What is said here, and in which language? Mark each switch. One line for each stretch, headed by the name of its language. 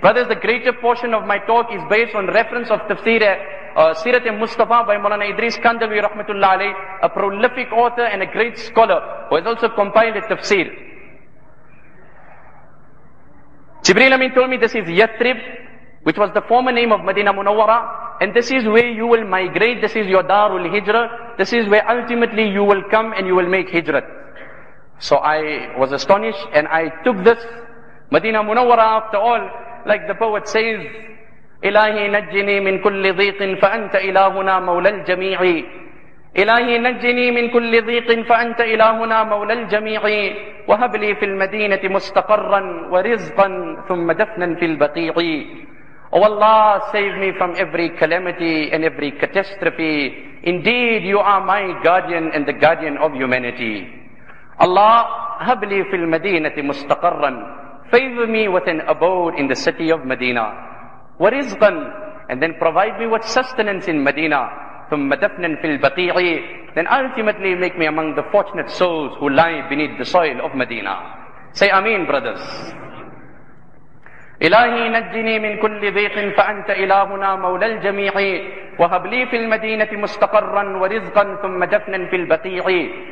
English: Brothers, the greater portion of my talk is based on reference of Tafsir, Sirat al-Mustafa by Mawlana Idris Kandalwi rahmatullah alayh, a prolific author and a great scholar who has also compiled a Tafsir. Jibreel Amin told me, this is Yathrib, which was the former name of Madina Munawwara, and this is where you will migrate, this is your Darul Hijra, this is where ultimately you will come and you will make Hijrat. So I was astonished and I took this Madina Munawwara, after all, like the poet says,
Arabic: إِلَهِ نَجِّنِي مِن كُلِّ ضِيقٍ فَأَنْتَ إِلَهُنَا مَوْلَى الْجَمِيعِ إِلَهِ نَجِّنِي مِن كُلِّ ضِيقٍ فَأَنْتَ إِلَهُنَا مَوْلَى الْجَمِيعِ وَهَبْ لِي فِي الْمَدِينَةِ مُسْتَقَرًّا وَرِزْقًا ثُمَّ دَفْنًا فِي الْبَقِيعِ.
English: Oh Allah, save me from every calamity and every catastrophe. Indeed, you are my guardian and the guardian of humanity.
Arabic: Allah, هَبْ لِي فِي الْمَدِينَةِ مُسْتَقَرًّا.
English: Favor me with an abode in the city of Medina.
Arabic: وَرِزْقًا.
English: And then provide me with sustenance in Medina.
Arabic: ثُمَّ دَفْنًا فِي الْبَقِيعِ.
English: Then ultimately make me among the fortunate souls who lie beneath the soil of Medina. Say Ameen, brothers.
Arabic: إِلَهِ نَجِّنِي مِن كُلِّ ضِيقٍ فَأَنْتَ إِلَهُنَا مَوْلَى الْجَمِيعِ وَهَبْ لِي فِي الْمَدِينَةِ مُسْتَقَرًّا وَرِزْقًا ثُمَّ دَفْنًا فِي الْبَقِيعِ.